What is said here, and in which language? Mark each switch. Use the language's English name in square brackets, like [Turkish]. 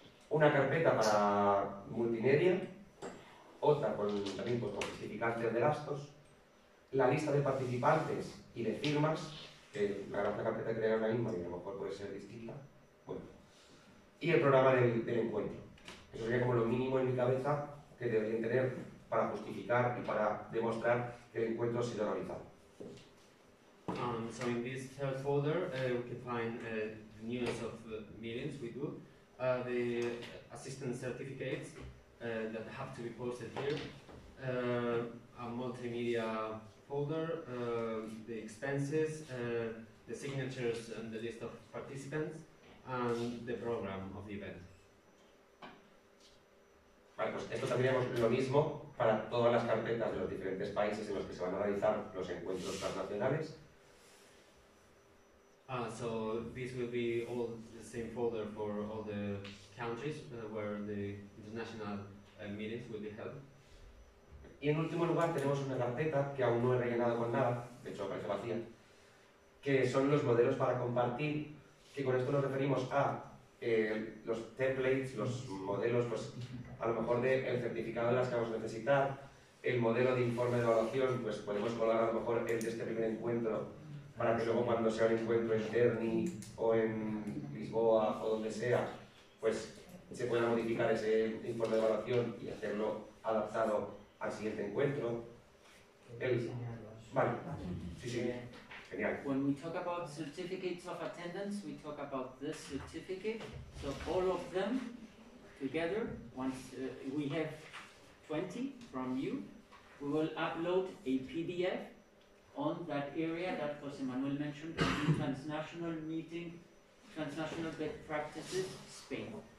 [Spanish] Una carpeta para multimedia, otra con también pues, con justificantes de gastos, la lista de participantes y de firmas, la gran carpeta que tenemos ahora mismo y a lo mejor puede ser distinta, bueno, y el programa del encuentro. Eso sería como lo mínimo en mi cabeza que deberían tener para justificar y para demostrar que el encuentro ha sido realizado. [English] So in this third folder we can find the news of the meetings we do. The assistant certificates that have to be posted here, a multimedia folder, the expenses, the signatures and the list of participants, and the program of the event. [Spanish] Vale, pues esto tendríamos lo mismo para todas las carpetas de los diferentes países en los que se van a realizar los encuentros transnacionales. [English] So this will be all the same folder for all the countries where the international meetings will be held. [Spanish] Y en último lugar tenemos una carpeta que aún no he rellenado con nada, de hecho parece vacía, que son los modelos para compartir, que con esto nos referimos a los templates, los modelos, pues a lo mejor del certificado de las que vamos a necesitar, el modelo de informe de evaluación, pues podemos colgar a lo mejor el de este primer encuentro, para que luego cuando sea un encuentro en Terni o en Lisboa o donde sea, pues se pueda modificar ese informe de evaluación y hacerlo adaptado al siguiente encuentro. Genial. [English] When we talk about certificates of attendance, we talk about this certificate. So all of them together, once we have 20 from you, we will upload a PDF on that area that José Manuel mentioned, the transnational meeting, transnational best practices, Spain.